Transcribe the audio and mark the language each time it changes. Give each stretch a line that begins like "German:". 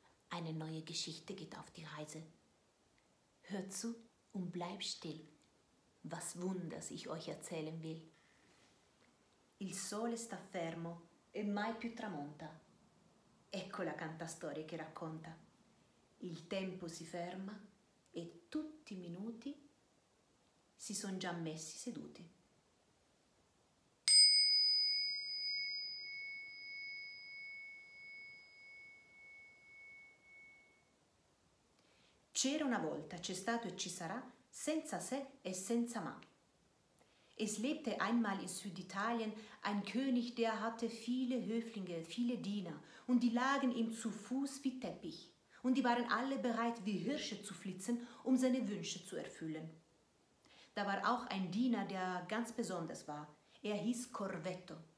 German: Eine neue Geschichte geht auf die Reise. Hör zu und bleib still, was Wunders ich euch erzählen will.
Italian: Il sole sta fermo e mai più tramonta. Ecco la cantastorie che racconta. Il tempo si ferma e tutti i minuti si son già messi seduti. C'era una volta, c'è stato e ci sarà, senza se e senza ma.
German: Es lebte einmal in Süditalien ein König, der hatte viele Höflinge, viele Diener, und die lagen ihm zu Fuß wie Teppich, und die waren alle bereit, wie Hirsche zu flitzen, um seine Wünsche zu erfüllen. Da war auch ein Diener, der ganz besonders war. Er hieß Corvetto.